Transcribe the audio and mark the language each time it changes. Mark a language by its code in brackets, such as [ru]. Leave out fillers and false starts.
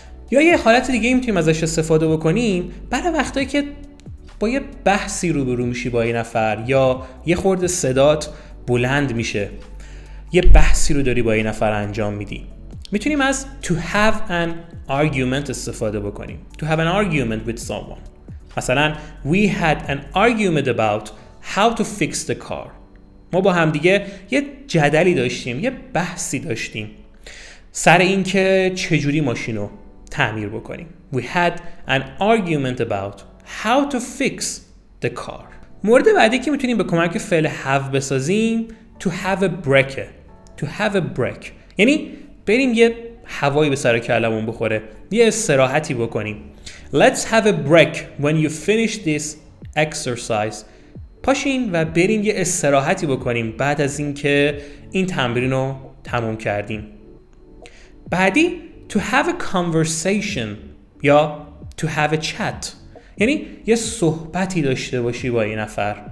[fa] یا یه حالت دیگه میتونیم ازش استفاده بکنیم برای وقتایی که با یه بحثی روبرو میشی با یه نفر یا یه خورده صدات بلند میشه، یه بحثی رو داری با یه نفر انجام میدی، میتونیم از [en] to have an argument [fa] استفاده بکنیم. [en] to have an argument with someone، مثلا we had an argument about how to fix the car. [fa] ما با هم دیگه یه جدلی داشتیم، یه بحثی داشتیم سر اینکه چجوری ماشین رو تعمیر بکنیم. [en] We had an argument about how to fix the car. [fa] مورد بعدی که میتونیم به کمک فعل have بسازیم [en] to have a break. To have a break [fa] یعنی بریم یه هوایی به سر کلمون بخوره، یه استراحتی بکنیم. [en] Let's have a break when you finish this exercise. [fa] پاشین و بریم یه استراحتی بکنیم بعد از اینکه این تمرین رو تموم کردیم. بعدی [en] to have a conversation [fa] یا [en] to have a chat [fa] یعنی یه صحبتی داشته باشی با یه نفر.